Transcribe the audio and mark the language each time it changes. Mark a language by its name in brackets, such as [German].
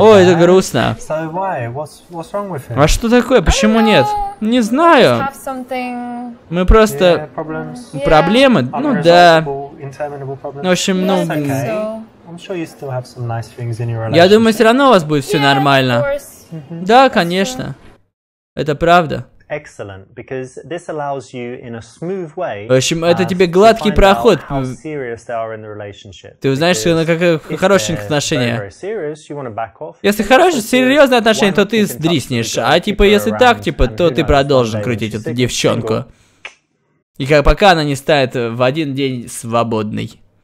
[Russian] Ой, это грустно. А что такое? Почему нет? Не знаю. Мы просто... Проблемы? Ну да. В общем, ну... Я думаю, все равно у вас будет все нормально. Да, конечно. Это правда. [English] Excellent, because this allows you in a smooth way. [Russian] В общем, это тебе гладкий проход. Ты узнаешь, что как хорошие отношения. Если хорошие, серьезные отношения, то ты сдриснешь. А типа, если так, типа, то ты продолжишь крутить эту девчонку. И как пока она не станет в один день свободной.